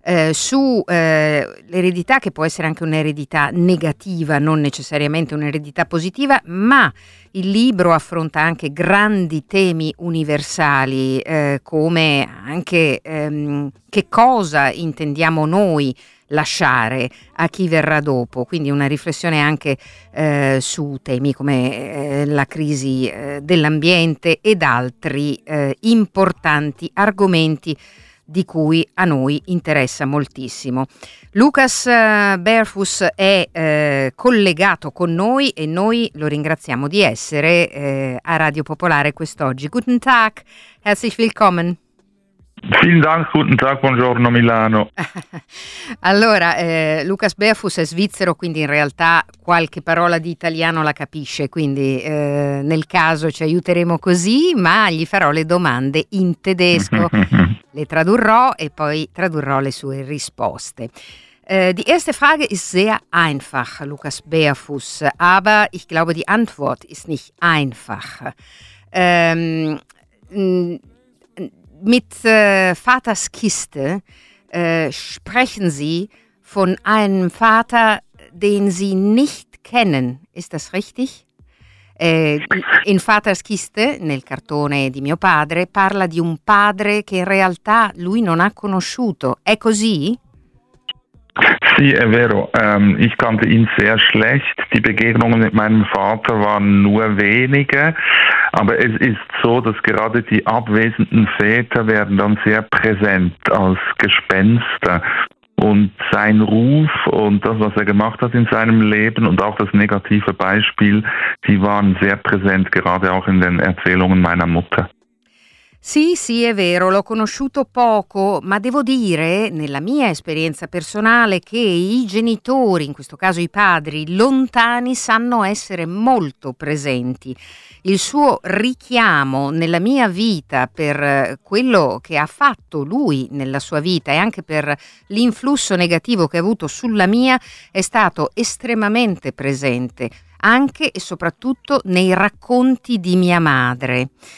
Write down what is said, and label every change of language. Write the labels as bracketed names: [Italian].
[Italian] sull'eredità che può essere anche un'eredità negativa, non necessariamente un'eredità positiva, ma il libro affronta anche grandi temi universali, come anche che cosa intendiamo noi lasciare a chi verrà dopo, quindi una riflessione anche su temi come la crisi dell'ambiente ed altri importanti argomenti di cui a noi interessa moltissimo. Lucas Berfus è collegato con noi e noi lo ringraziamo di essere a Radio Popolare quest'oggi. [German] Guten Tag, herzlich willkommen. Vielen Dank, guten Tag, [Italian] buongiorno Milano. Allora, Lucas Berfus è svizzero, quindi in realtà qualche parola di italiano la capisce, quindi nel caso ci aiuteremo così, ma gli farò le domande in tedesco. Le tradurrò e poi tradurrò le sue risposte. [German] Die erste Frage ist sehr einfach, Lucas Berfus, aber ich glaube die Antwort ist nicht einfach. Mit Vaters Kiste sprechen Sie von einem Vater, den Sie nicht kennen. Ist das richtig? [Italian] In Vaters Kiste, nel cartone di mio padre, parla di un padre che in realtà lui non ha conosciuto. È così? Sì, è vero. [German] Ich kannte ihn sehr schlecht. Die Begegnungen mit meinem Vater waren nur wenige. Aber es ist so, dass gerade die abwesenden Väter werden dann sehr präsent als Gespenster. Und sein Ruf und das, was er gemacht hat in seinem Leben und auch das negative Beispiel, die waren sehr präsent, gerade auch in den Erzählungen meiner Mutter. [Italian] Sì, sì, è vero, l'ho conosciuto poco, ma devo dire, nella mia esperienza personale, che i genitori, in questo caso i padri, lontani, sanno essere molto presenti. Il suo richiamo nella mia vita per quello che ha fatto lui nella sua vita e anche per l'influsso negativo che ha avuto sulla mia è stato estremamente presente, anche e soprattutto nei racconti di mia madre.